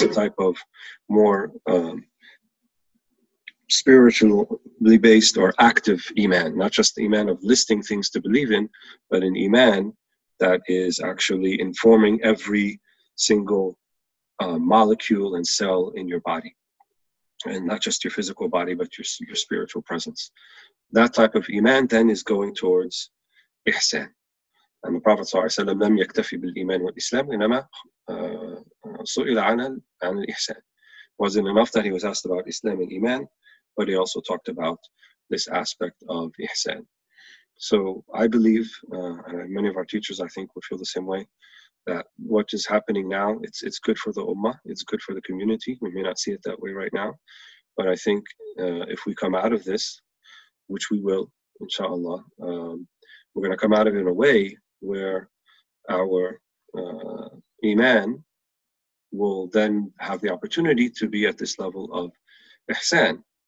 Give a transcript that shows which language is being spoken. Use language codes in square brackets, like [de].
[en] It's a type of more spiritually based or active iman, not just the iman of listing things to believe in, but an iman that is actually informing every single molecule and cell in your body, and not just your physical body, but your spiritual presence. That type of iman then is going towards ihsan. And the Prophet [ar] ﷺ لم يكتفي بالإيمان والإسلام إنما سئل عن الإحسان. [en] Wasn't enough that he was asked about Islam and iman, but he also talked about this aspect of ihsan. So I believe, and many of our teachers, I think, would feel the same way, that what is happening now, it's good for the ummah, it's good for the community. We may not see it that way right now, but I think if we come out of this, which we will, inshallah, we're going to come out of it in a way where our iman will then have the opportunity to be at this level of ihsan.